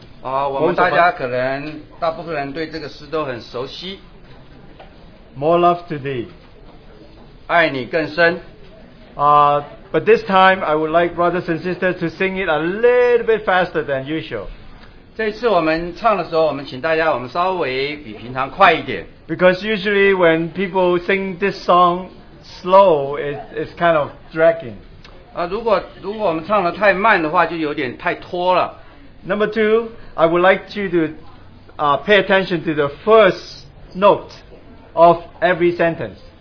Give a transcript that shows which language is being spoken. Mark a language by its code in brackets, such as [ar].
[zh] 我们大家可能大部分人对这个诗都很熟悉。 [en] More love to thee. [zh] 爱你更深。 [en] But this time, I would like brothers and sisters to sing it a little bit faster than usual. [zh] 这次我们唱的时候，我们请大家稍微比平常快一点。 [en] Because usually when people sing this song slow, it's kind of dragging. [zh] 如果我们唱的太慢的话，就有点太拖了。 [en] Number two, I would like you to pay attention to the first note of every sentence.